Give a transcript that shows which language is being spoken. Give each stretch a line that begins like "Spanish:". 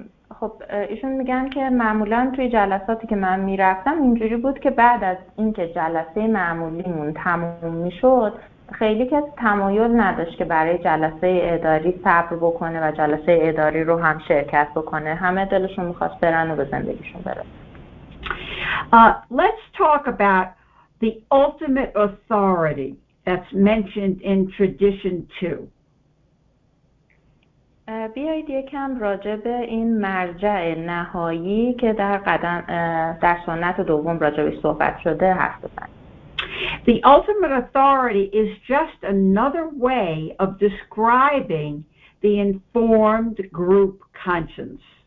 Persian: خب ایشون میگن که معمولا توی جلساتی که من میرفتم اینجوری بود که بعد از اینکه جلسه معمولیمون تموم میشد خیلی کسی تمایل نداشت که برای جلسه اداری صبر بکنه و جلسه اداری رو هم شرکت بکنه، همه دلشون میخواست برن و به زندگیشون برن.
English: Let's talk about the ultimate authority that's mentioned in tradition 2.
Persian: بیایید یکم راجع به این مرجع نهایی که در سنت دوم راجع به صحبت شده حرف بزنید.
English: The ultimate authority is just another way of describing the informed group conscience.